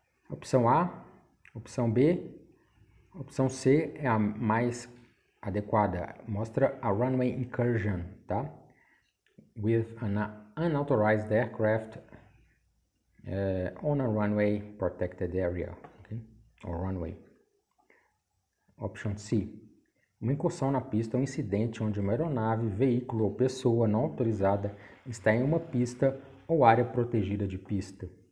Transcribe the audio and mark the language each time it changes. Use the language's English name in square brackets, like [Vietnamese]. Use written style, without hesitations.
[Portuguese] Opção A, opção B, opção C é a mais adequada. Mostra a runway incursion, tá? [English] With an unauthorized aircraft on a runway protected area, okay? Or runway. Option C. [Portuguese] Uma incursão na pista é um incidente onde uma aeronave, veículo ou pessoa não autorizada está em uma pista ou área protegida de pista.